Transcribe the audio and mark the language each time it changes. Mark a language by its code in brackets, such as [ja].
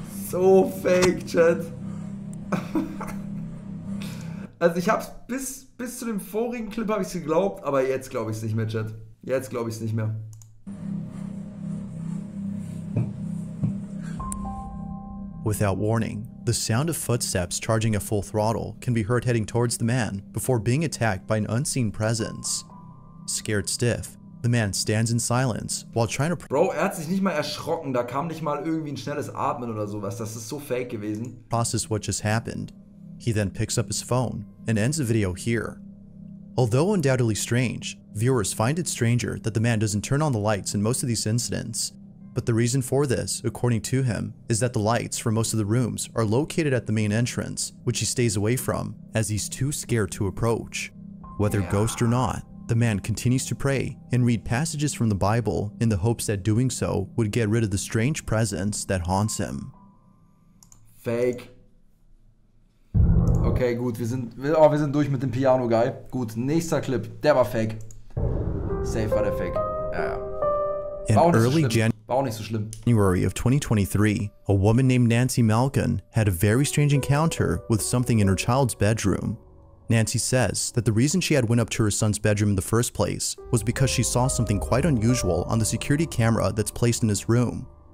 [de] So fake, Chat. Also ich hab's bis zu dem vorigen Clip hab ich's geglaubt, aber jetzt glaube ich's nicht mehr, Chat. Jetzt glaube ich's nicht mehr. [en] Without warning, the sound of footsteps charging at full throttle can be heard heading towards the man before being attacked by an unseen presence. Scared stiff, the man stands in silence while trying to [de] Bro, er hat sich nicht mal erschrocken, da kam nicht mal irgendwie ein schnelles Atmen oder sowas, das ist so fake gewesen. [en] Process what just happened. He then picks up his phone and ends the video here. Although undoubtedly strange, viewers find it stranger that the man doesn't turn on the lights in most of these incidents. But the reason for this, according to him, is that the lights for most of the rooms are located at the main entrance, which he stays away from as he's too scared to approach. Whether yeah. ghost or not, the man continues to pray and read passages from the Bible in the hopes that doing so would get rid of the strange presence that haunts him. [de] Fake. Okay, gut, wir sind durch mit dem Piano Guy. Gut, nächster Clip, der war fake. Safe war der fake. Ja, ja. [en] In [de] war [en] early [de] so [en] January of 2023, a woman named Nancy Malkin had a very strange encounter with something in her child's bedroom. Nancy says that the reason she had went up to her son's bedroom in the first place was because she saw something quite unusual on the security camera that's placed in his room.